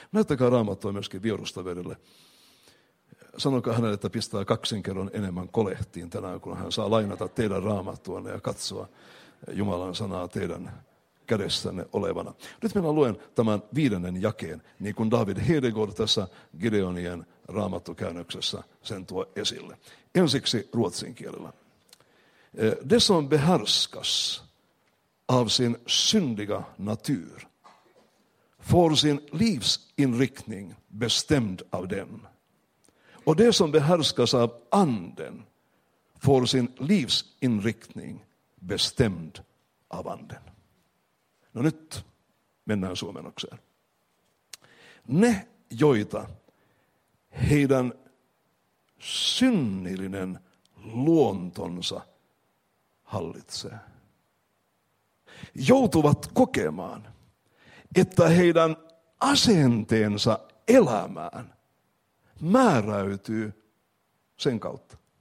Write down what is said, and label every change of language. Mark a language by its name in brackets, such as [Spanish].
[Finnish] Näyttäkää Raamattua myöskin vierustoverille. Sanokaa hänelle, että pistää kaksinkerron enemmän kolehtiin tänään, kun hän saa lainata teidän Raamattuanne ja katsoa Jumalan sanaa teidän kädessänne olevana. Nyt minä luen tämän viidennen jakeen, niin kuin David Heidegård tässä Gideonien raamattukäännöksessä sen tuo esille. Ensiksi ruotsin kielellä. [Swedish] Det som behärskas av sin syndiga natur får sin livsinriktning bestämd av den. Och det som behärskas av anden får sin livsinriktning bestämd av anden. [Finnish] No nyt mennään suomennokseen. Ne, joita heidän synnillinen luontonsa hallitsee, joutuvat kokemaan, että heidän asenteensa elämään määräytyy sen kautta.